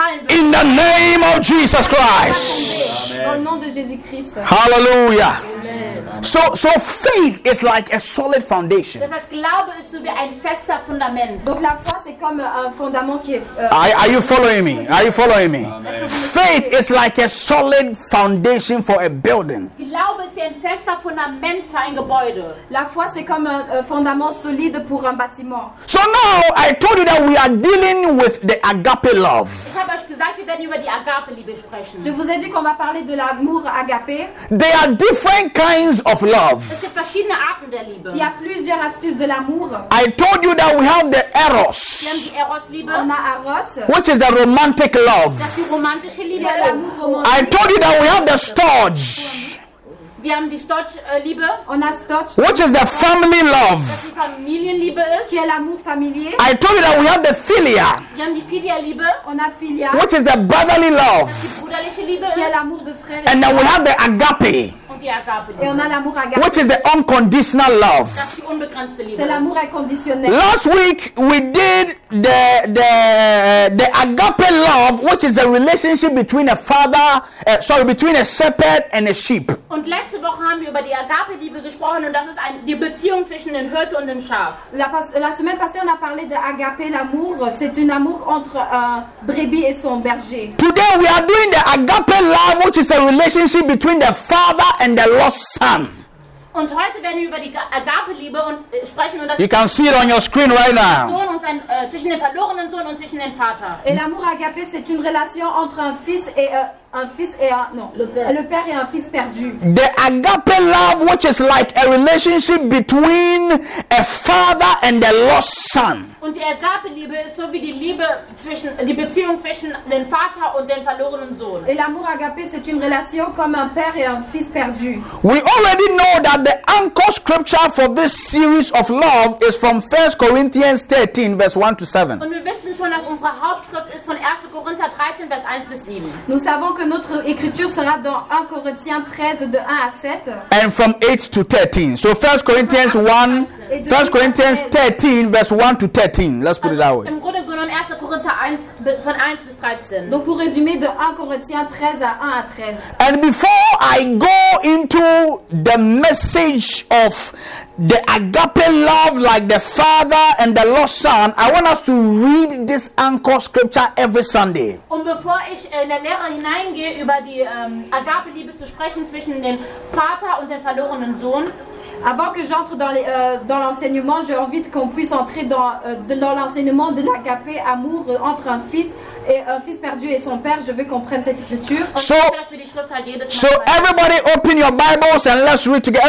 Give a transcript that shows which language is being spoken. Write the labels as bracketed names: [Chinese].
[English] In the name of Jesus Christ. Amen. Hallelujah. Amen. So faith is like a solid foundation. [German] Das heißt, Glaube ist so wie ein fester Fundament. [French] Donc la foi c'est comme un fondement qui est. [English] Are you following me? Faith is like a solid foundation for a building. [German] Glaube ist wie ein fester Fundament für ein Gebäude. [French] La foi c'est comme un fondement solide pour un bâtiment. [English] So now I told you that we are dealing with the agape love. [German] Ich habe euch gesagt, wir werden über die Agape Liebe sprechen. [French] Je vous ai dit qu'on va parler de l'amour agape. [English] There are different kinds of love. [German] Es gibt verschiedene Arten der Liebe. [French] Il y a plusieurs astuces de l'amour. [English] I told you that we have the Eros. [German] Wir haben die Eros Liebe. [French] On a Eros. [English] Which is a romantic love. [German] Das ist die romantische Liebe. [French] L'amour romantique. [English] I told you that we have the Storge. [German] Wir haben die Storge-Liebe. [French] On a Storge. [English] Which is the family love. [German] Das ist Familienliebe ist. [French] Qui est l'amour familier. [English] I told you that we have the Philia. [German] Wir haben die Philia-Liebe. [French] On a Philia. [English] Which is the brotherly love. [German] Das ist die bruderliche Liebe. [French] Qui est l'amour de frère. [English] And then we have the Agape. [French] Et on a l'amour agape. [English] Which is the unconditional love. [French] C'est l'amour inconditionnel. [English] Last week we did the agape love, which is a relationship between a father, between a shepherd and a sheep. [German] Und letzte Woche haben wir über die agape Liebe gesprochen und das ist die Beziehung zwischen dem Hirte und dem Schaf. [French] La semaine passée on a parlé de agape l'amour, c'est un amour entre un brebis et son berger. [English] Today we are doing the agape love, which is a relationship between the father and the lost son. [German] Und heute werden wir über die Agape Liebe und sprechen und das. [English] You can see it on your screen right now. [German] Zwischen dem verlorenen Sohn und zwischen dem Vater. [French] Et l'amour agape c'est une relation entre le père et un fils perdu. [English] The agape love, which is like a relationship between a father and the lost son. [German] Und die agape Liebe ist so wie die Liebe zwischen die Beziehung zwischen dem Vater und dem verlorenen Sohn. [French] Et l'amour agape c'est une relation comme un père et un fils perdu. [English] We already know that the anchor scripture for this series of love is from 1 Corinthians 13 verse 1 to 7. [German] Und wir wissen schon, dass unsere Hauptschrift ist von 1. Korinther 13 vers 1 bis 7. [French] Nous savons que notre écriture sera dans 1 Corinthiens 13 de 1 à 7. [English] And from 8 to 13. So 1 Corinthians 1, 1 Corinthians 13 verse 1 to 13. Let's put it that way. [German] Im Grunde genommen 1. Korinther 1 von 1 bis 13. [French] Donc pour résumer de 1 Corinthiens 13 à 1 à 13. [English] And before I go into the message of the agape love like the father and the lost son, I want us to read this anchor scripture every Sunday. [German] Und bevor ich in der Lehre hineingehe über die agape Liebe zu sprechen zwischen dem Vater und dem verlorenen Sohn, [French] avant que j'entre dans l'enseignement, j'ai envie qu'on puisse entrer dans l'enseignement de l'agapé amour entre un fils et un fils perdu et son père. Je veux qu'on prenne cette écriture. [English] So everybody open your Bibles and let's read together.